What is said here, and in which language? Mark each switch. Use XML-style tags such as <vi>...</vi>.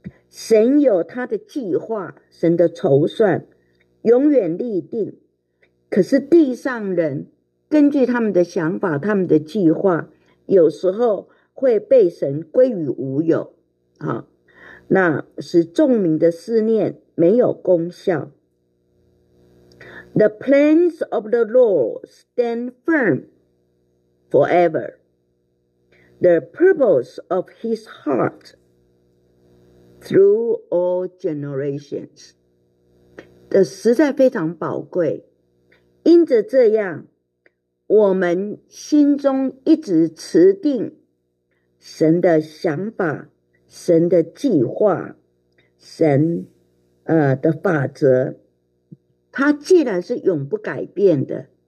<zh>神有他的计划，神的筹算永远立定，可是地上人根据他们的想法，他们的计划有时候会被神归于无有，那使众民的思念没有功效。</zh> <en>The plans of the Lord stand firm forever, the purpose of his heart through all generations.</en> <zh>这实在非常宝贵，因着这样，我们心中一直持定神的想法、神的计划、神的法则，它既然是永不改变的、</zh>